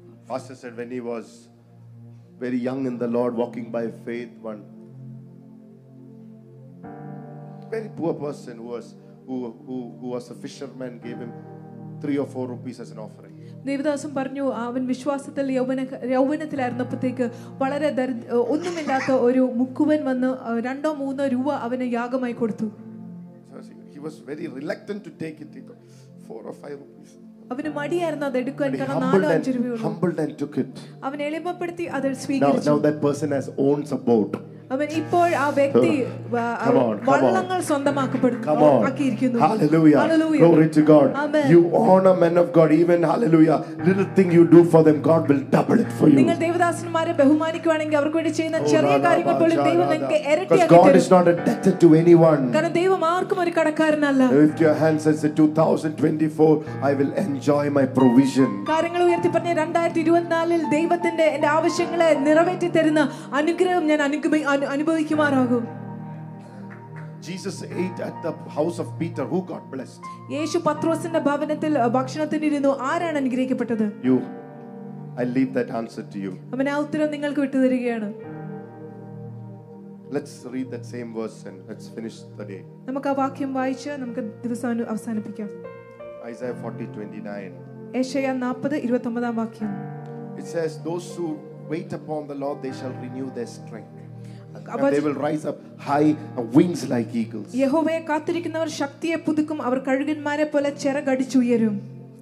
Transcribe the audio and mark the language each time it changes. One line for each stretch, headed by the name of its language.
English: Pastor said when he was very young in the Lord, walking by faith, one very poor person who was a fisherman gave him 3 or 4 rupees as an offering.
Malayalam: ദേവദാസം പറഞ്ഞു അവൻ വിശ്വാസത്തിൽ യൗവനത്തിലായിരുന്നപ്പോഴത്തേക്ക് വളരെ ഒന്നുമില്ലാത്ത ഒരു മുക്കുവൻ വന്ന് 2-3 രൂപ അവന് യാഗമായി കൊടുത്തു.
English: He was very reluctant to take it. 4 or 5 rupees.
Malayalam: അവന് മടിയായിരുന്നു അത് എടുക്കാൻ. 4-5 രൂപയോ
English: humbled and took it.
Malayalam: അവൻ എളിമപ്പെടുത്തി അത് സ്വീകരിച്ചു.
English: Now that person has owns a boat.
Malayalam: അവൻ ഇപ്പോൾ ആ വ്യക്തി വള്ളങ്ങൾ സ്വന്തമാക്കിയിരിക്കുന്നു.
English: Hallelujah. Hallelujah. Glory to God. Amen. You honor men of God, even hallelujah, little thing you do for them, God will double it for you.
Malayalam: നിങ്ങൾ ദൈവദാസന്മാരെ ബഹുമാനിക്കുകയാണെങ്കിൽ അവർക്ക് വേണ്ടി ചെയ്യുന്ന ചെറിയ കാര്യങ്ങൾ പോലും ദൈവം നിങ്ങൾക്ക് ഇരട്ടിയാക്കി തരും.
English: God is not indebted to anyone.
Malayalam: കാരണം ദൈവം ആർക്കും ഒരു കടക്കാരനല്ല.
English: Lift your hands and say 2024 I will enjoy my provision.
Malayalam: കാര്യങ്ങൾ ഉയർത്തി പറഞ്ഞ 2024 ൽ ദൈവത്തിന്റെ എൻ്റെ ആവശ്യങ്ങളെ നിറവേറ്റി തരുന്ന അനുഗ്രഹം ഞാൻ അനുഭവിക്കും.
English: Jesus ate at the house of Peter. Who got blessed?
Malayalam: യേശു പത്രോസിന്റെ ഭവനത്തിൽ ഭക്ഷണത്തിനിരുന്നു ആരാണ് അനുഗ്രഹിക്കപ്പെട്ടത്?
English: You, I leave that answer to you.
Malayalam: അവനെ ഉത്തരം നിങ്ങൾക്ക് വിട്ടു തരികയാണ്.
English: Let's read that same verse and let's finish the day.
Malayalam: നമുക്ക് ആ വാക്യം വായിച്ച് നമുക്ക് ദിവസം അവസാനിപ്പിക്കാം.
English: Isaiah 40:29.
Malayalam: യെശയ്യാ 40:29 ആം വാക്യം.
English: It says, those who wait upon the Lord, they shall renew their strength. And they will rise up high wings like eagles.
Malayalam: യഹോവയെ കാത്തിരിക്കുന്നവർ ശക്തിയെ പുതുക്കും, അവർ കഴുകന്മാരെ പോലെ ചിറകടിച്ചുയരും.